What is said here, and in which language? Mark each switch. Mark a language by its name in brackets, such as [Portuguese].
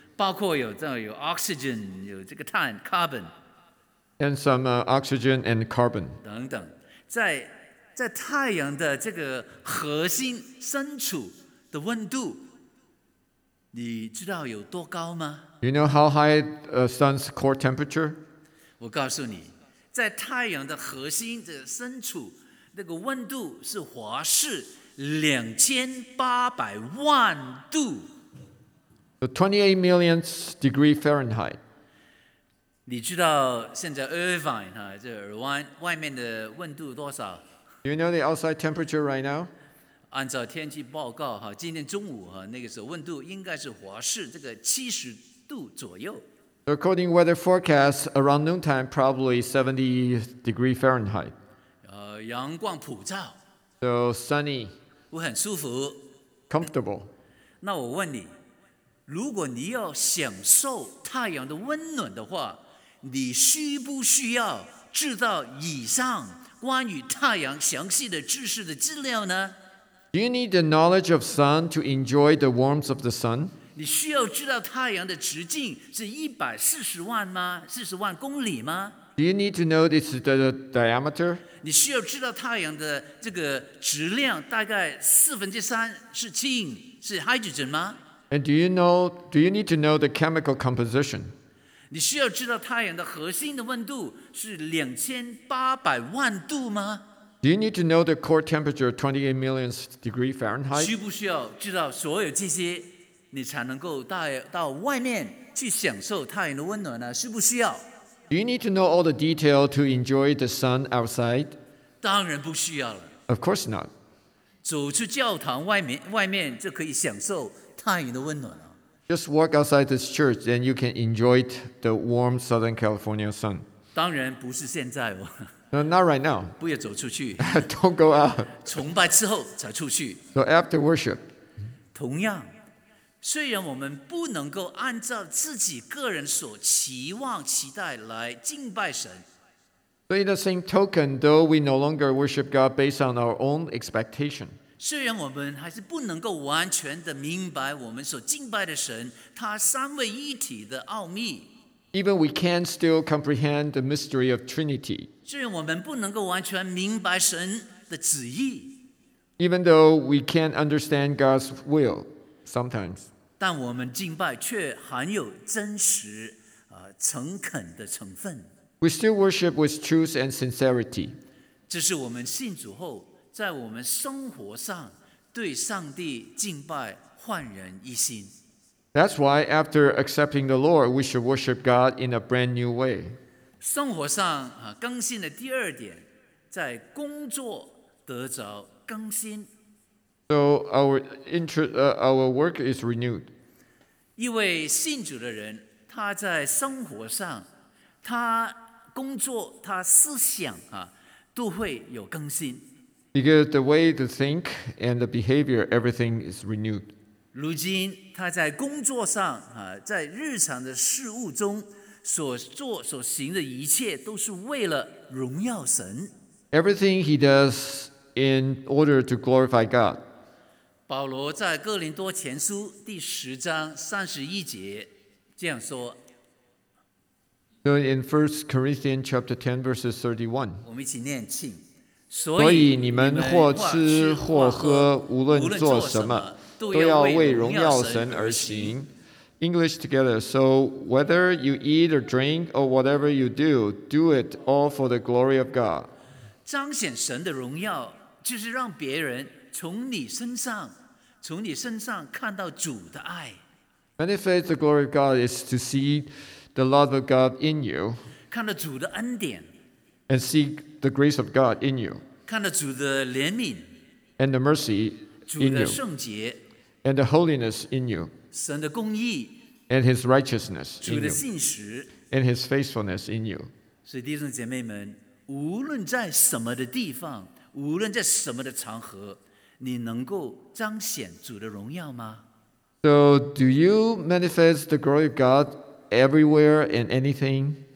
[Chinese] 包括有 oxygen, 有这个碳 carbon. [English] And some oxygen and carbon. [Chinese] 等等，在太阳的这个核心深处的温度，你知道有多高吗？ [English] You know how high the sun's core temperature? [Chinese] 我告诉你。在太阳的核心的深处，那个温度是华氏2800万度。 [English] 28 million degrees Fahrenheit. [Chinese] 你知道现在 Irvine 这耳湾外面的温度多少？ [English] You know the outside temperature right now? [Chinese] 按照天气报告，今天中午那个时候温度应该是华氏这个70度左右。 [English] According to weather forecasts, around noontime, probably 70 degrees Fahrenheit. [Chinese] 阳光普照。 [English] So sunny. [Chinese] 我很舒服。 [English] Comfortable. [Chinese] 那我问你，如果你要享受太阳的温暖的话，你需不需要知道以上关于太阳详细的知识的资料呢？ [English] Do you need the knowledge of sun to enjoy the warmth of the sun? [Chinese] 你需要知道太阳的直径是140万公里吗？ [English] Do you need to know this is the diameter? [Chinese] 你需要知道太阳的这个质量大概3/4是氢，是 hydrogen 吗？ [English] And do you need to know the chemical composition? [Chinese] 你需要知道太阳的核心的温度是2800万度吗？ [English] Do you need to know the core temperature 28 million degrees Fahrenheit? [Chinese] 需不需要知道所有这些，你才能够到外面去享受太阳的温暖呢？需不需要？ [English] Do you need to know all the detail to enjoy the sun outside? [Chinese] 当然不需要了。 [English] Of course not. [Chinese] 走出教堂外面就可以享受太阳的温暖了。 [English] Just walk outside this church, then you can enjoy the warm Southern California sun. [Chinese] 当然不是现在哦。 [English] Not right now. [Chinese] 不要走出去。 [English] Don't go out. [Chinese] 崇拜之后才出去。 [English] So after worship. [Chinese] 同样，虽然我们不能够按照自己个人所期望、期待来敬拜神。 [English] So in the same token, though we no longer worship God based on our own expectation. [Chinese] 虽然我们还是不能够完全的明白我们所敬拜的神，他三位一体的奥秘。 [English] Even we can still comprehend the mystery of Trinity. [Chinese] 虽然我们不能够完全明白神的旨意。 [English] Even though we can't understand God's will, sometimes. [Chinese] 但我们敬拜却含有真实、诚恳的成分。 [English] We still worship with truth and sincerity. [Chinese] 这是我们信主后在我们生活上对上帝敬拜焕然一新。 [English] That's why after accepting the Lord, we should worship God in a brand new way. [Chinese] 生活上更新的第二点，在工作得着更新。 [English] So our work is renewed. [Chinese] 一位信主的人，他在生活上，他工作，他思想都会有更新。 [English] Because the way to think and the behavior, everything is renewed. [Chinese] 如今他在工作上在日常的事务中所做所行的一切都是为了荣耀神。 [English] Everything he does in order to glorify God. [Chinese] 保罗在哥林多前书第10:31这样说。 [English] So in 1 Corinthians chapter 10 verses 31. [Chinese] 我们一起念，请。所以你们或吃或喝，无论做什么，都要为荣耀神而行。 [English] English together. So whether you eat or drink or whatever you do, do it all for the glory of God. [Chinese] 彰显神的荣耀，就是让别人从你身上看到主的爱。 [English] Manifest the glory of God is to see the love of God in you. [Chinese] 看到主的恩典。 [English] And see the grace of God in you. [Chinese] 看到主的怜悯。 [English] And the mercy in you. [Chinese] 主的圣洁。 [English] And the holiness in you. [Chinese] 神的公义。 [English] And his righteousness in you. [Chinese] 主的信实。 [English] And his faithfulness in you. [Chinese] 所以弟兄姐妹们，无论在什么的地方，无论在什么的场合，你能够彰显主的荣耀吗？ [English] So do you manifest the glory of God everywhere and anything?